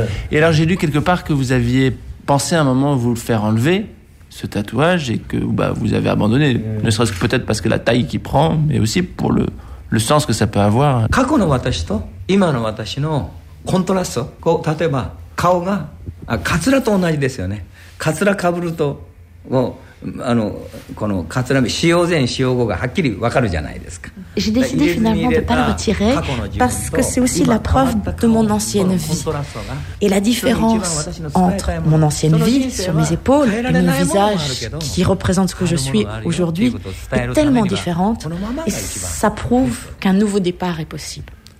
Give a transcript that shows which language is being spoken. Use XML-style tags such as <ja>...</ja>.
<fr>Et alors j'ai lu quelque part que vous aviez pensé à un moment vous le faire enlever, ce tatouage, et que bah, vous avez abandonné, ne serait-ce que peut-être parce que la taille qu'il prend, mais aussi pour le sens que ça peut avoir. Le passé et le contraste, par exemple,</fr> <ja>顔が、あ、カツラと同じですよね。カツラかぶるともうあのこのカツラ使用前使用後がはっきり分かるじゃないですか。</ja> <fr>J'ai décidé finalement de ne pas le retirer parce que c'est aussi la preuve de mon ancienne vie. Et la différence entre mon ancienne vie sur mes épaules et mon visage qui représente ce que je suis aujourd'hui est tellement différente et ça prouve qu'un nouveau départ est possible.</fr>